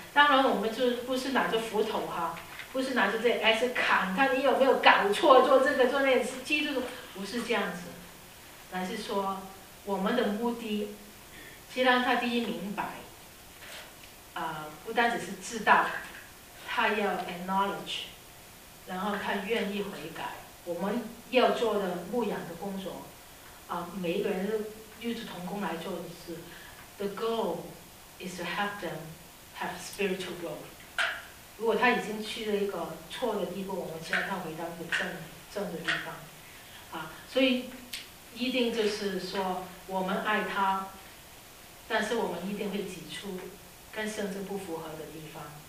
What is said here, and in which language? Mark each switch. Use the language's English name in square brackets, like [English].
[Chinese] 当然我们就不是拿着斧头哈，不是拿着这 S 砍他，你有没有搞错，做这个做那个，记住不是这样子，而是说我们的目的既然他第一明白不单只是知道，他要 acknowledge， 然后他愿意悔改。我们要做的牧养的工作每一个人都就是同工来做的事。 [English] The goalis to help them have spiritual growth。 [Chinese] 如果他已经去了一个错的地步，我们希望他回到一个 正的地方啊。所以一定就是说我们爱他，但是我们一定会指出跟圣经不符合的地方。